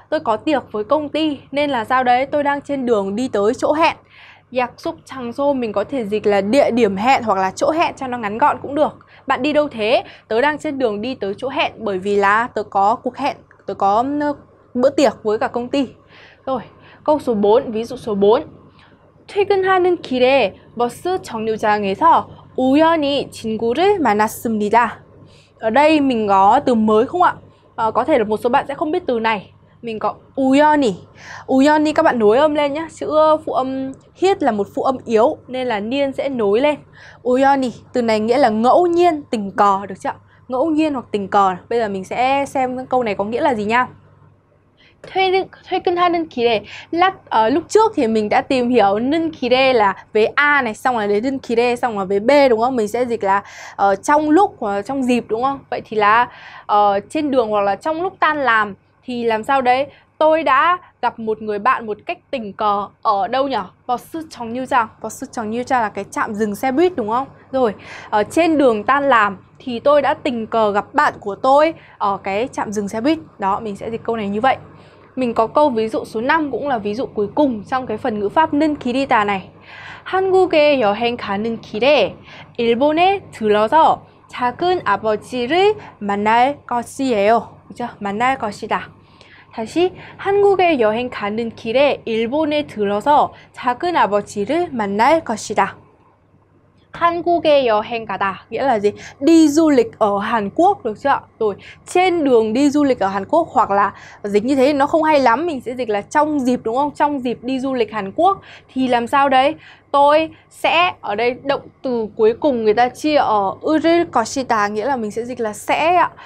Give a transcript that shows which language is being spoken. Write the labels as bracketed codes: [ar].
[vi] Tôi có tiệc với công ty. Nên là sao đấy? Tôi đang trên đường đi tới chỗ hẹn. Giặc xúc chẳng xô mình có thể dịch là địa điểm hẹn hoặc là chỗ hẹn cho nó ngắn gọn cũng được. Bạn đi đâu thế? Tớ đang trên đường đi tới chỗ hẹn bởi vì là tớ có cuộc hẹn, tớ có bữa tiệc với cả công ty. Rồi, câu số 4, ví dụ số 4. [ko] 퇴근하는 길에 버스 정류장에서 우연히 친구를 만났습니다. [vi] Ở đây mình có từ mới không ạ? Có thể là một số bạn sẽ không biết từ này. Mình có uyoni. Uyoni các bạn nối âm lên nhé. Chữ phụ âm hiết là một phụ âm yếu nên là niên sẽ nối lên. Uyoni, từ này nghĩa là ngẫu nhiên, tình cờ, được chưa? Ngẫu nhiên hoặc tình cờ. Bây giờ mình sẽ xem câu này có nghĩa là gì nha. [ko] 퇴근하는 길에 [vi] lúc trước thì mình đã tìm hiểu 는 길에 là vế A này, xong là đến 는 길에, xong là vế B, đúng không? Mình sẽ dịch là trong lúc hoặc trong dịp, đúng không? Vậy thì là trên đường hoặc là trong lúc tan làm thì làm sao đấy? Tôi đã gặp một người bạn một cách tình cờ ở đâu nhở? [ko] 버스 정류장. 버스 정류장 [vi] là cái trạm dừng xe buýt, đúng không? Rồi, ở trên đường tan làm thì tôi đã tình cờ gặp bạn của tôi ở cái trạm dừng xe buýt. Đó, mình sẽ dịch câu này như vậy. mình có câu ví dụ số 5 cũng là ví dụ cuối cùng trong cái phần ngữ pháp 는 길이다 này. [ko] 한국에 여행 가는 길에 일본에 들어서 작은 아버지를 만날 것이에요. 그죠? 만날 것이다. 다시 한국에 여행 가는 길에 일본에 들어서 작은 아버지를 만날 것이다. 한국에 여행 가다 [vi] nghĩa là gì? Đi du lịch ở Hàn Quốc được chưa? Rồi trên đường đi du lịch ở Hàn Quốc, hoặc là dịch như thế nó không hay lắm, mình sẽ dịch là trong dịp, đúng không? Trong dịp đi du lịch Hàn Quốc thì làm sao đấy? Tôi sẽ, ở đây động từ cuối cùng người ta chia ở 을 것이다 nghĩa là mình sẽ dịch là sẽ.